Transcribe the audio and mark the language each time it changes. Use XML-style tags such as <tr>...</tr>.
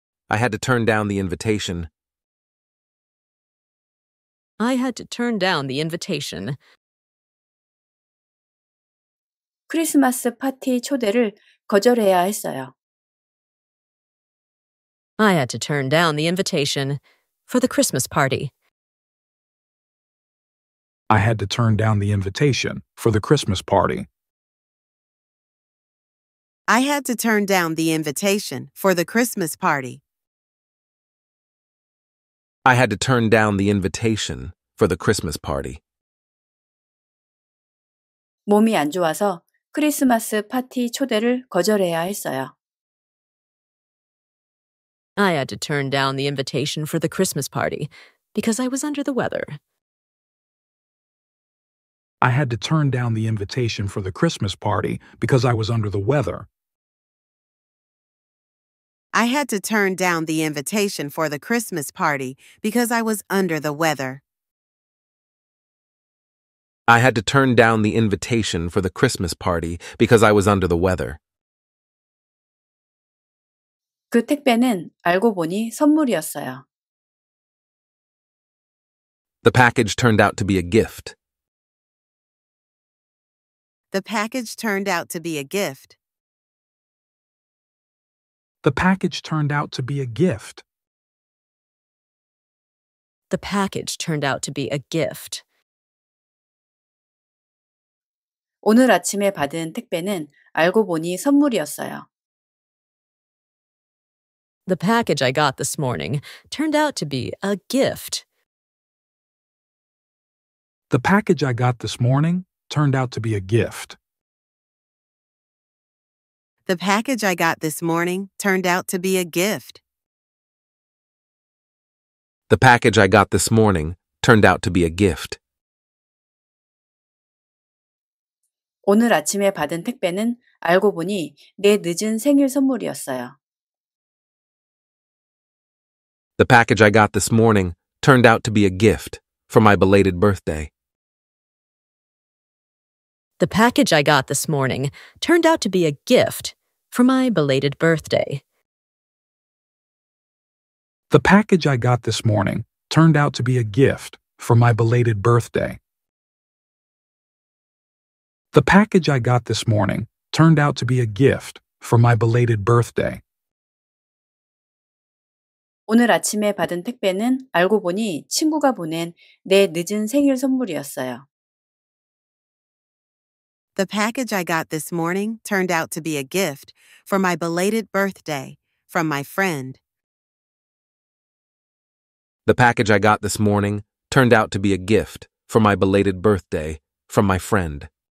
<en>I had to turn down the invitation. I had to turn down the invitation.</en> <ko>크리스마스 파티 초대를 거절해야 했어요.</ko> <en>I had to turn down the invitation for the Christmas party. I had to turn down the invitation for the Christmas party. I had to turn down the invitation for the Christmas party. I had to turn down the invitation for the Christmas party.</en> <ko>몸이 안 좋아서 크리스마스 파티 초대를 거절해야 했어요.</ko> <en>I had to turn down the invitation for the Christmas party because I was under the weather. I had to turn down the invitation for the Christmas party because I was under the weather. I had to turn down the invitation for the Christmas party because I was under the weather. I had to turn down the invitation for the Christmas party because I was under the weather.</en> <ko>그 택배는 알고 보니 선물이었어요.</ko> <en>The package turned out to be a gift. The package turned out to be a gift. The package turned out to be a gift. The package turned out to be a gift.</en> <ko>오늘 아침에 받은 택배는 알고 보니 선물이었어요.</ko> <en>The package I got this morning turned out to be a gift. The package I got this morning turned out to be a gift. The package I got this morning turned out to be a gift. The package I got this morning turned out to be a gift.</en> <ko>오늘 아침에 받은 택배는 알고 보니 내 늦은 생일 선물이었어요.</ko> <en>The package I got this morning turned out to be a gift for my belated birthday. The package I got this morning turned out to be a gift for my belated birthday. The package I got this morning turned out to be a gift for my belated birthday. The package I got this morning turned out to be a gift for my belated birthday.</en> <ko>오늘 아침에 받은 택배는 알고 보니 친구가 보낸 내 늦은 생일 선물이었어요.</ko> <en>The package I got this morning turned out to be a gift for my belated birthday from my friend. The package I got this morning turned out to be a gift for my belated birthday from my friend.</en>